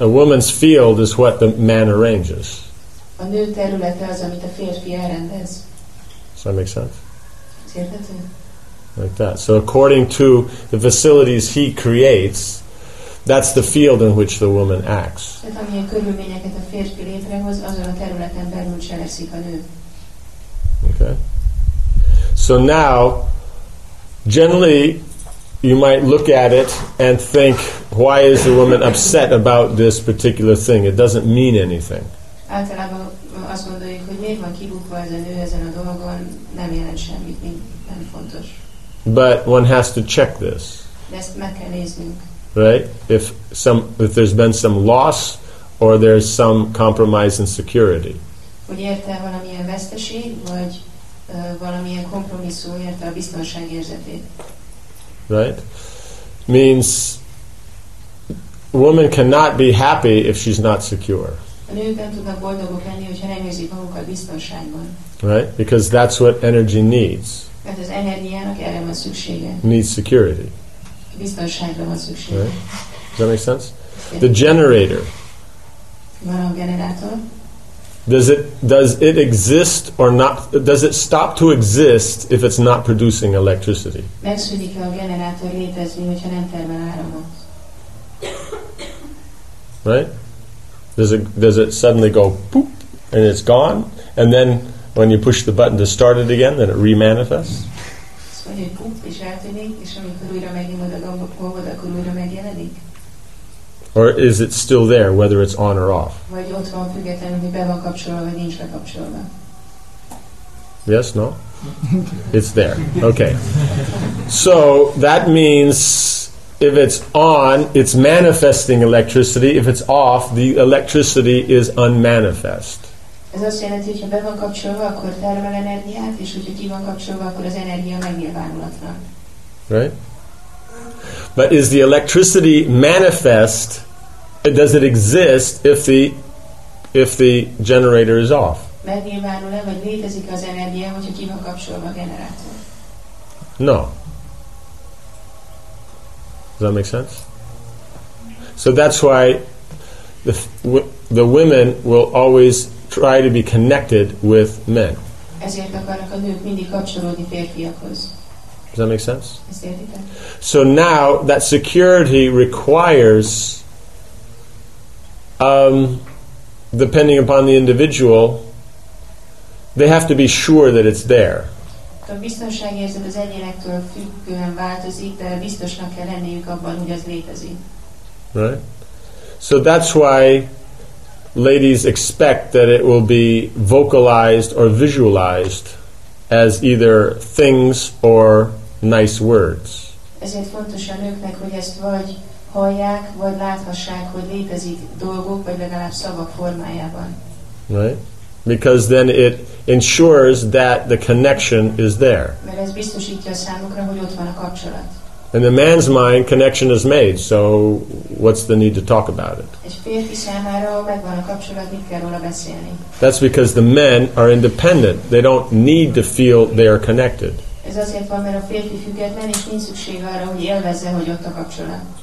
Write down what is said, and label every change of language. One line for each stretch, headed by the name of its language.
English: A woman's field is what the man arranges.
Hungarian: A nő területe az, amit a férfi elrendez.
English: Does that make sense?
Hungarian: Érthető?
English: Like that. So according to the facilities he creates, that's the field in which the woman acts.
Hungarian: Tehát amilyen körülményeket a férfi létrehoz, azon a területen belül cselekszik a nő.
English: Okay. So now, generally, you might look at it and think, why is the woman upset about this particular thing? It doesn't mean anything.
Hungarian: Általában azt gondoljuk, hogy miért van kibukva ez a nő ezen a dolgon, nem jelent semmit, nem fontos.
English: But one has to check this.
Hungarian: De ezt meg kell néznünk.
English: Right? If there's been some loss, or there's some compromise in security.
Hungarian: Hogy érte valamilyen veszteség, vagy valamilyen kompromisszum érte a biztonság érzetét.
English: Right? Means a woman cannot be happy if she's not secure.
Hungarian: A nők nem tudnak boldogok lenni, hogyha nem érzik magukat biztonságban.
English: Right? Because that's what energy needs.
Hungarian: Mert az energiának erre van szüksége.
English: Needs security.
Hungarian: Biztonságra van szüksége.
English: Right? Does that make sense? The generator.
Hungarian: Van a generátor.
English: Does it exist or not? Does it stop to exist if it's not producing electricity?
Hungarian: Megszűnik-e a generátor létezni, hogyha nem termel áramot?
English: Right? Does it suddenly go poop and it's gone? And then when you push the button to start it again, then it re-manifests?
Hungarian: Azt mondja, hogy poop és eltűnik, és amikor újra megnyomod a gombot, akkor újra megjelenik?
English: Or is it still there, whether it's on or off?
Hungarian: Vagy ott van függetlenül, hogy be van kapcsolva, vagy nincs bekapcsolva.
English: Yes, no? It's there. Okay. So that means if it's on, it's manifesting electricity. If it's off, the electricity is unmanifest.
Hungarian: Ez azt jelenti, hogy ha be van kapcsolva, akkor termel energiát, és hogyha ki van kapcsolva, akkor az energia megnyilvánulatlan.
English: Right? But is the electricity manifest? Does it exist if the generator is off?
Hungarian: Megnyilvánul-e, vagy létezik az energia, hogyha ki van kapcsolva a generátor?
English: No. Does that make sense? So that's why the women will always try to be connected with men.
Hungarian: Ezért akarnak a nők mindig kapcsolódni férfiakhoz.
English: Does that make sense? So now that security requires, depending upon the individual, they have to be sure that it's there.
Hungarian: A biztonság érzet az egyénektől függően változik, de biztosnak kell lenniük abban, hogy az létezik.
English: Right? So that's why ladies expect that it will be vocalized or visualized as either things or nice words.
Hungarian: Ezért fontos a nőknek, hogy ezt vagy hallják, vagy láthassák, hogy létezik dolgok, vagy legalább szavak formájában.
English: Right? Because then it ensures that the connection is there.
Hungarian: Mert ez biztosítja a számukra, hogy ott van a kapcsolat.
English: In the man's mind, connection is made, so what's the need to talk about it?
Hungarian: Egy férfi számára megvan a kapcsolat, mit kell róla beszélni?
English: That's because the men are independent. They don't need to feel they are connected.
Hungarian: Ez azért van, mert a férfi független, és nincs szüksége arra, hogy élvezze, hogy ott a kapcsolat.